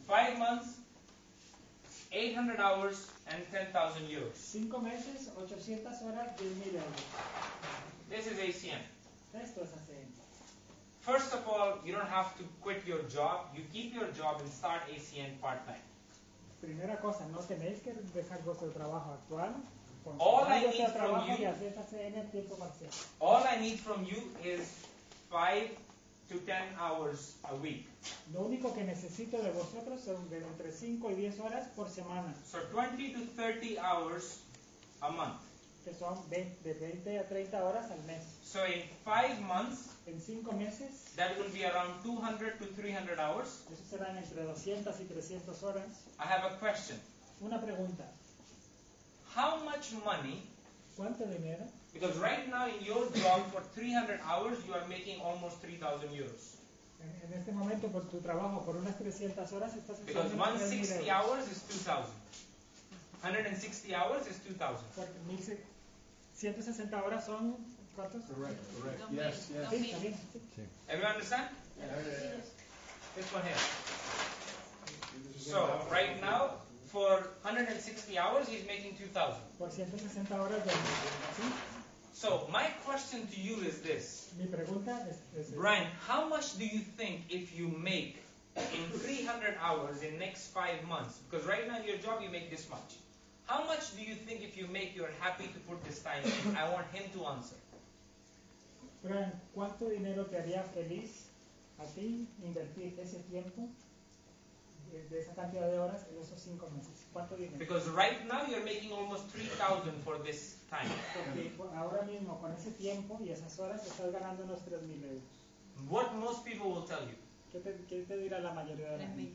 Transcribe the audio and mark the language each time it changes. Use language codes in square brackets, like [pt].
[en] 5 months, 800 hours, and 10,000 euros. [es] 5 meses, 800 horas, 10,000 euros. [en] This is ACM. [es] Esto es ACM. [en] First of all, you don't have to quit your job. You keep your job and start ACM part-time. [es] Primera cosa, no tenéis que dejar vuestro trabajo actual. [en] All I need from you is 5 to 10 hours a week. [es] Lo único que necesito de vosotros son de entre 5 y 10 horas por semana. [en] So 20 to 30 hours a month. [es] Que son de 20 a 30 horas al mes. [en] So in 5 months, [es] en 5 meses, [en] that will be around 200 to 300 hours. [es] Eso serán entre 200 y 300 horas. [en] I have a question. [es] Una pregunta. [en] How much money? [es] ¿Cuánto dinero? [en] Because right now in your job for 300 hours you are making almost 3,000 euros. [es] En este momento por tu trabajo por unas 300 horas estás haciendo 1,000 euros. [en] Because 160 hours is 2,000. 160 hours is 2,000. [es] Porque 160 horas son ¿cuántos? [en] Correct, correct. Yes, yes. [es] Sí, sí. [en] Everyone understand? Yes. This one here. So right now for 160 hours he's making 2,000. [es] Por 160 horas de ¿sí? [en] So my question to you is this. [es] Mi pregunta es [en] Brian, how much do you think if you make in 300 hours in next 5 months? Because right now in your job you make this much. How much do you think if you make you're happy to put this time in? I want him to answer. [es] Brian, ¿cuánto dinero te haría feliz a ti invertir ese tiempo de esa cantidad de horas en esos 5 meses? ¿Cuánto dinero? [en] Because right now you're making almost 3,000 for this time. [es] Porque ahora mismo con ese tiempo y esas horas estás ganando unos 3,000 euros. [en] What most people will tell you? [es] ¿Qué te dirá la mayoría de la gente?